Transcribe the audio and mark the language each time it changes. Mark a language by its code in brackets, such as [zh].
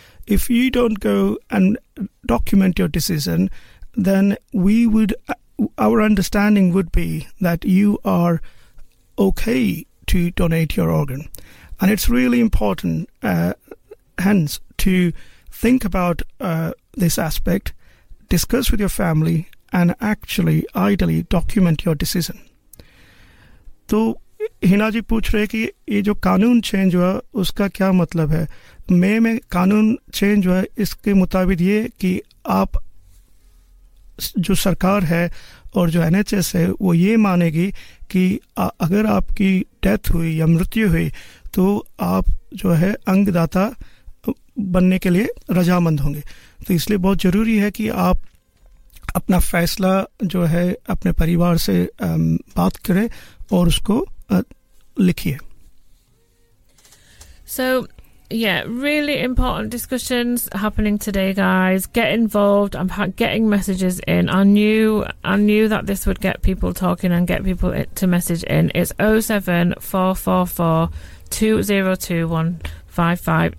[en] If you don't go and document your decision, then our understanding would be that you are okay to donate your organ. And it's really important, hence, to think about this aspect, discuss with your family, and actually, ideally, document your decision. [hi] तो हिना जी पूछ रहे कि ये जो कानून change हुआ उसका क्या मतलब है मई में कानून चेंज हुआ इसके मुताबिक ये कि आप जो सरकार है और जो NHS है वो ये मानेगी कि अगर आपकी डेथ हुई या मृत्यु हुई तो आप जो है अंगदाता बनने के लिए रजामंद होंगे तो इसलिए बहुत ज़रूरी है कि आप अपना फैसला जो है अपने परिवार से बात करें और उसको लिखिए सो [en] Yeah, really important discussions happening today, guys. Get involved. I'm getting messages in. I knew that this would get people talking and get people to message in. It's 07444 202155.